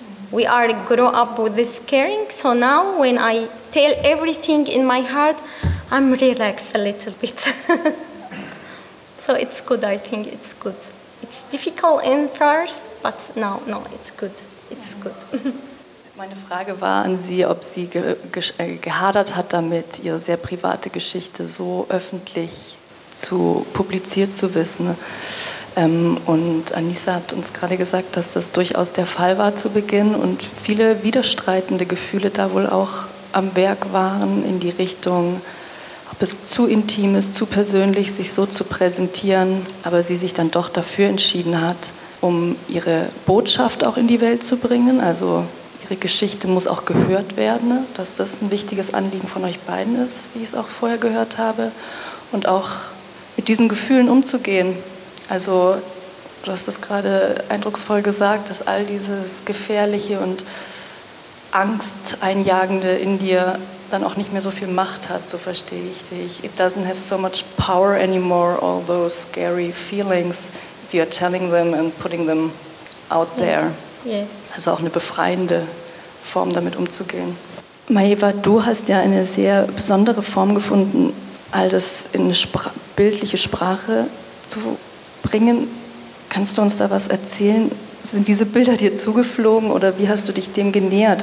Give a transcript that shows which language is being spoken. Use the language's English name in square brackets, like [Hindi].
[English] We are grow up with the scaring, so now when I tell everything in my heart, I'm relaxed a little bit. So it's good, I think it's good. It's difficult in first, but no, it's good. It's good. [German] Meine Frage war an Sie, ob Sie gehadert hat damit, Ihre sehr private Geschichte so öffentlich zu publiziert zu wissen. Und Anissa hat uns gerade gesagt, dass das durchaus der Fall war zu Beginn und viele widerstreitende Gefühle da wohl auch am Werk waren in die Richtung, ob es zu intim ist, zu persönlich, sich so zu präsentieren, aber sie sich dann doch dafür entschieden hat, um ihre Botschaft auch in die Welt zu bringen, also ihre Geschichte muss auch gehört werden, dass das ein wichtiges Anliegen von euch beiden ist, wie ich es auch vorher gehört habe, und auch mit diesen Gefühlen umzugehen. Also du hast das gerade eindrucksvoll gesagt, dass all dieses Gefährliche und Angst einjagende in dir dann auch nicht mehr so viel Macht hat, so verstehe ich dich. [English] It doesn't have so much power anymore, all those scary feelings, if you're telling them and putting them out there. Yes. [German] Also auch eine befreiende Form, damit umzugehen. Maeva, du hast ja eine sehr besondere Form gefunden, all das in eine bildliche Sprache zu bringen. Kannst du uns da was erzählen? Sind diese Bilder dir zugeflogen oder wie hast du dich dem genähert?